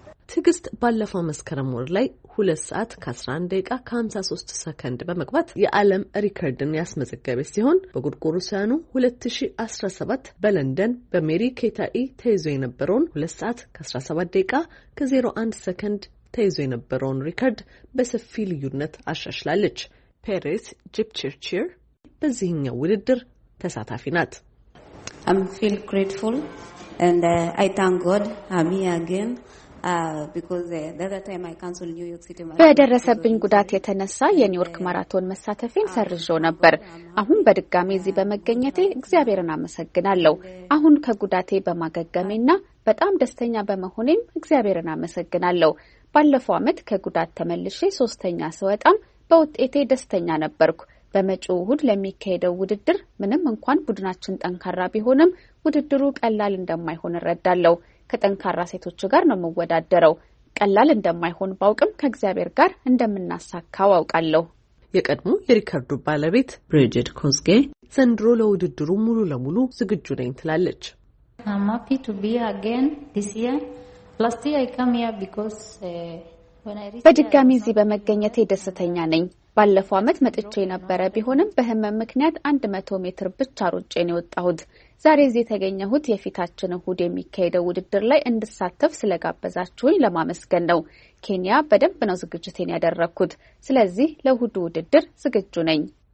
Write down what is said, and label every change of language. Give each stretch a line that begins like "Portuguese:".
Amharic: ትዕግስት ባለፈው መስከረም ወር ላይ 2 ሰዓት ከ11 ደቂቃ ከ53 ሰከንድ በመግባት የዓለም ሪከርድን ያስመዘገበ ሲሆን በጎርጎሮሳውያኑ 2017 በለንደን በሜሪ ኬታኢ ተይዞ የነበረውን 2 ሰዓት ከ17 ደቂቃ ከ01 ሰከንድ ተይዞ የነበረውን ሪከርድ በሰፊ ልዩነት አሻሽላለች። ፔሬስ ጂፕቸርቺር በዚህኛው ውድድር ተሳታፊ ናት።
English: I feel grateful and I thank God I'm here again.
Amharic: በደረሰብኝ ጉዳት የተነሳ የኒውዮርክ ማራቶን መሳተፌን ሰርዤው ነበር። አሁን በድጋሚ እዚህ በመገኘቴ እግዚአብሔርን አመሰግናለሁ። አሁን ከጉዳቴ በማገገሜና በጣም ደስተኛ በመሆኔም እግዚአብሔርን አመሰግናለሁ። ባለፈው አመት ከጉዳት ተመልሼ 3ኛ ስወጣም በውጤቴ ደስተኛ ነበርኩ። በመጪው እሁድ ለሚካሄደው ውድድር ምንም እንኳን ቡድናችን ጠንካራ ቢሆንም ውድድሩ ቀላል እንደማይሆን እረዳለሁ። ከጠንካራ ሴቶች ጋር ነው የምወዳደረው። ቀላል እንደማይሆን ባውቅም ከእግዚአብሔር ጋር እንደምናሳካው አውቃለሁ። የቀድሞ የሪከርዱ ባለቤት ብሪጅት ኮስጌ ዘንድሮ ለውድድሩ ሙሉ ለሙሉ ዝግጁ ነኝ ትላለች።
English: I'm happy to be again this year. Last year I came here because
Amharic: በድጋሚ እዚህ በመገኘቴ ደስተኛ ነኝ። ባለፈው አመት መጥቼ ነበር ቢሆንም በህመም ምክንያት 100 ሜትር ብቻ ሩጬ ነው የወጣሁት። ዛሬ እዚህ ተገኘሁት የፊታችን እሁድ የሚካሄደው ውድድር ላይ እንድሳተፍ ስለጋበዛችሁኝ ለማመስገን ነው። ኬንያ በደንብ ነው ዝግጅቴን ያደረኩት። ስለዚህ ለእሁድ ውድድር ዝግጁ ነኝ።